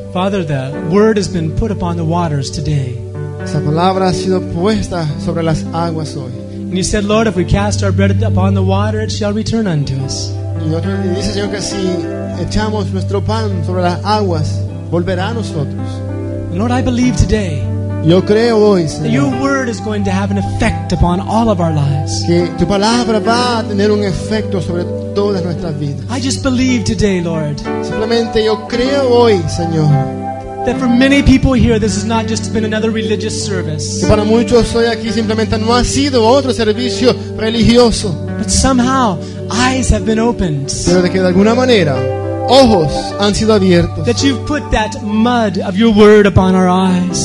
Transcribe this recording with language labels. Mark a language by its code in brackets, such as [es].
[en] Father, the word has been put upon the waters today. [es] Esa palabra ha sido puesta sobre las aguas hoy. [en] And you said, Lord, if we cast our bread upon the water, it shall return unto us. [es] Y dice, Señor, que si echamos nuestro pan sobre las aguas, volverá a nosotros. [en] Lord, I believe today. [es] Yo creo hoy, Señor, [en] that your word is going to have an effect upon all of our lives. [es] Que tu palabra va a tener un efecto sobre todas nuestras vidas. [en] I just believe today, Lord. [es] Simplemente yo creo hoy, Señor. [en] That for many people here, this has not just been another religious service. [es] Que para muchos hoy aquí simplemente no ha sido otro servicio religioso. [en] But somehow, eyes have been opened. [es] Pero de que de alguna manera, ojos han sido abiertos. [en] That you've put that mud of your word upon our eyes.